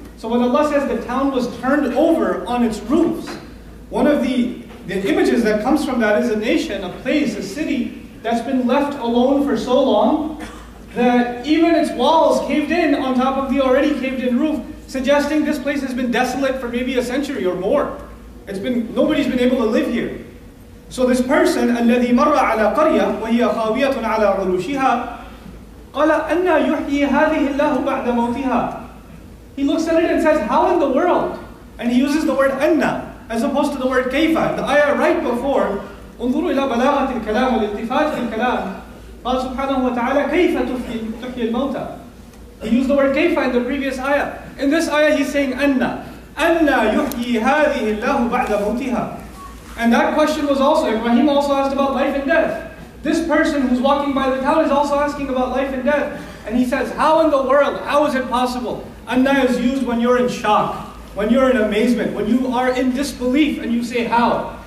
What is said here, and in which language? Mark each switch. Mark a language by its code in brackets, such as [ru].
[en] So when Allah says the town was turned over on its roofs, one of the images that comes from that is a nation, a place, a city that's been left alone for so long that even its walls caved in on top of the already caved in roof, suggesting this place has been desolate for maybe a century or more. Nobody's been able to live here. So this person, [ar] الَّذِي مَرَّ عَلَىٰ قَرْيَةٍ وَهِيَ خَاوِيَةٌ عَلَىٰ عُرُوشِهَا قَالَ أَنَّا يُحْيِي هَذِهِ اللَّهُ بَعْدَ مَوْتِهَا. [en] He looks at it and says, how in the world? And he uses the word أَنَّا as opposed to the word كَيْفَ. The ayah right before, [ar] انظروا إلى بلاغة الكلام والالتفات الكلام قال سبحانه وتعالى كيف تحيي الموتى. [en] He used the word كَيْفَ in the previous ayah. In this ayah he's saying [ar] أَنَّا يُحْيِي هَذِهِ اللَّهُ بَعْدَ مَوْتِهَا. [en] And that question was also, Ibrahim also asked about life and death. This person who's walking by the town is also asking about life and death. And he says, how in the world, how is it possible? Anna is used when you're in shock, when you're in amazement, when you are in disbelief, and you say, how?